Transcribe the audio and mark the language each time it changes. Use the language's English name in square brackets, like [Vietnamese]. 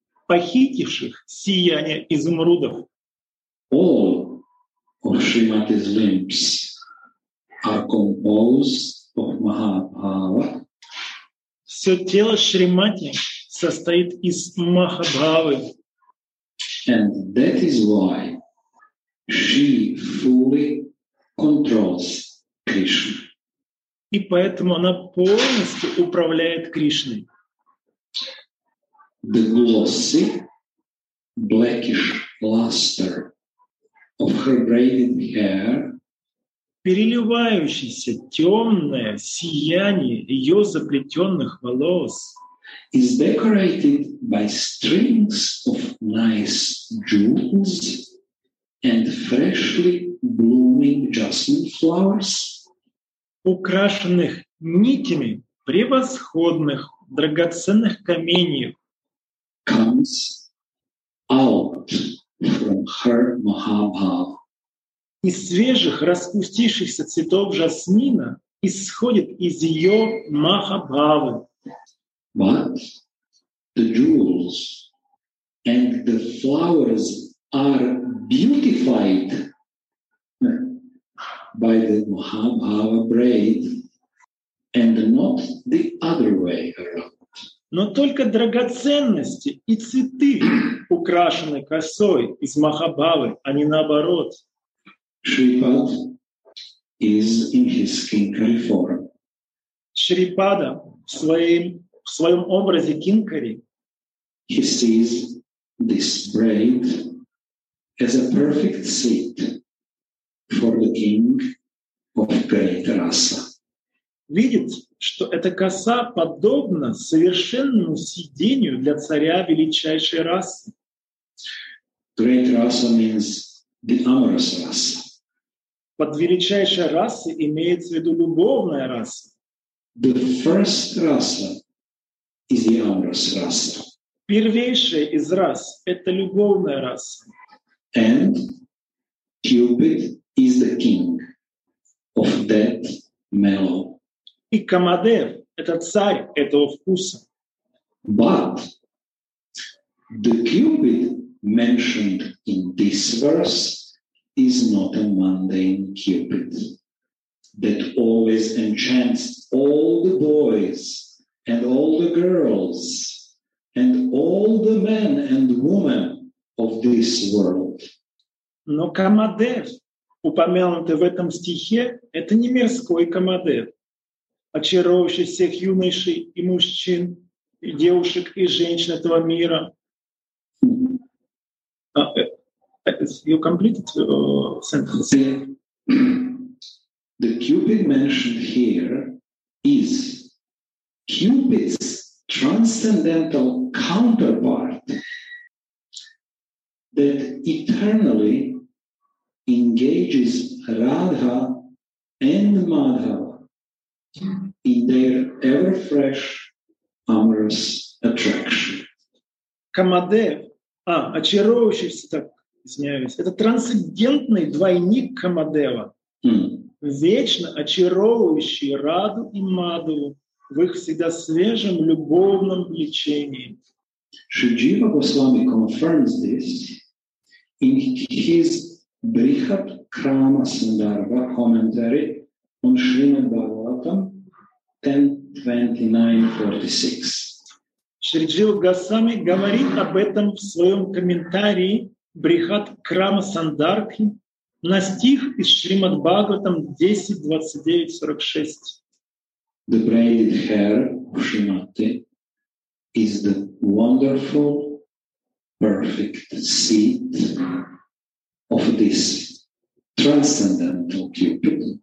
[Russian] Похитивших сияние изумрудов. [English] All of Shrimati's limbs are composed of Mahabhava. [Russian] Все тело Шримати состоит из Махабхавы. [English] And that is why she fully controls Krishna. [Russian] И поэтому она полностью управляет Кришной. [English] The glossy, blackish luster of her braided hair, [Russian] переливающееся темное сияние ее заплетенных волос, [English] is decorated by strings of nice jewels and freshly blooming jasmine flowers, [Russian] украшенных нитями превосходных драгоценных каменьев [English] comes out from her Mahabhav. [Russian] И свежих распустившихся цветов жасмина исходит из ее Махабхавы. [English] But the jewels and the flowers are beautified by the Mahabhava braid and not the other way around. [Russian] Но только драгоценности и цветы украшены косой из Махабхавы, а не наоборот. [English] Шрипад is in his kinkari form. [Russian] Шрипада в своем образе кинкари. [English] He sees this braid as a perfect seat for the king of great rasa. [Russian] Видит, что эта коса подобна совершенному сиденью для царя величайшей расы. [English] Great rasa means the amorous rasa. [Russian] Под величайшей расой имеется в виду любовная раса. [English] The first rasa is the amorous rasa. [Russian] Первейшая из рас – это любовная раса. [English] And Cupid is the king of that mellow. [Russian] И Камадев – это царь этого вкуса. [English] But the Cupid mentioned in this verse is not a mundane Cupid that always enchants all the boys and all the girls and all the men and women of this world. [Russian] Но Камадев, упомянутый в этом стихе, это не мирской Камадев, очаровывающий всех юношей и мужчин, и девушек и женщин этого мира. [English] You completed sentence. The Cupid mentioned here is Cupid's transcendental counterpart that eternally engages Radha and Madhava in their ever fresh amorous attraction. [Russian] Камадев, очаровывающийся так. Извиняюсь. Это трансцендентный двойник Камадева, вечно очаровывающий Раду и Мадху в их всегда свежем любовном влечении. [English] Шри Джива Госвами confirms this in his Brihat Krama Sandarbha commentary on Shrimad Bhagavatam 10.29.46. [Russian] Шри Джива Госвами говорит об этом в своем комментарии Брихат Крама Сандарки на стих из Шримад Бхагаватам 10.29.46. [English] The braided hair of Shrimati is the wonderful, perfect seat of this transcendental Cupid.